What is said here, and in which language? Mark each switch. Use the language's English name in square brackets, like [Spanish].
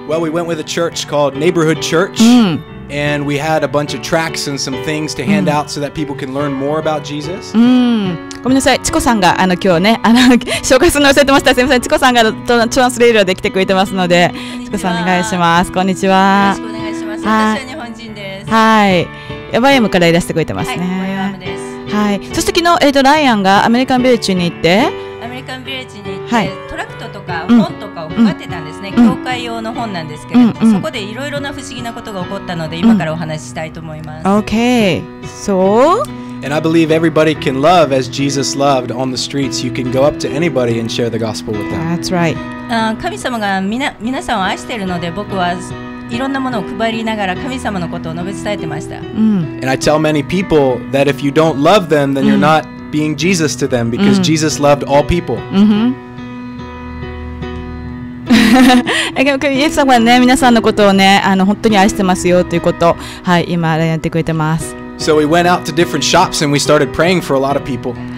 [English] Well, we went with a church called Neighborhood Church, and we had a bunch of tracts and some things to hand out so that people can learn more about Jesus. [Japanese] ごめんなさい、チコさんがあの今日ね、あの紹介するの忘れてました。すみません、チコさんがトランスレイルで来てくれてますので、チコさんお願いします。こんにちは。よろしくお願いします。私は日本人です。はい、YMからいらしてくれてますね。はい、YMです。はい、そして昨日、ライアンがアメリカンビレッジに行って、はい、トラクトとか本とかを配ってたんですね、教会用の本なんですけれども、そこでいろいろな不思議なことが起こったので、今からお話ししたいと思います。 [English] Okay, so? And I believe everybody can love as Jesus loved on the streets. You can go up to anybody and share the gospel with them. That's right. [Japanese] 神様が皆さんを愛しているので、僕はいろんなものを配りながら神様のことを述べ伝えてました。 [English] And I tell many people that if you don't love them, then you're not being Jesus to them, because Jesus loved all people. [Japanese] イエス様はね、皆さんのことをね、あの本当に愛してますよということ、はい、今やってくれてます。 [English] So we went out to different shops and we started praying for a lot of people.